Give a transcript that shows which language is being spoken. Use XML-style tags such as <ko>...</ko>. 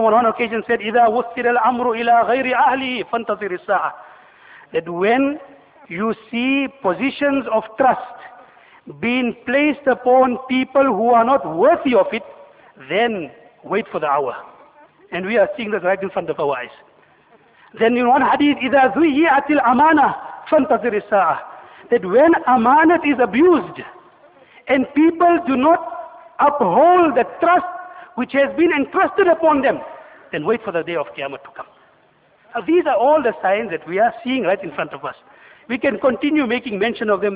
<en>on one occasion said,</en> <ar>Idha wustir al amru ila ghayri ahlihi fantazir sa'a.</ar> <en>That when you see positions of trust being placed upon people who are not worthy of it, then wait for the hour. And we are seeing that right in front of our eyes. Then in one hadith,</en> <ar>إِذَا ذُيِّئَتِ الْأَمَانَةِ فَانْتَظِرِ السَّاعَةِ.</ar> <en>That when amanat is abused, and people do not uphold the trust which has been entrusted upon them, then wait for the day of Qiyamah to come. Now these are all the signs that we are seeing right in front of us. We can continue making mention of them.</en>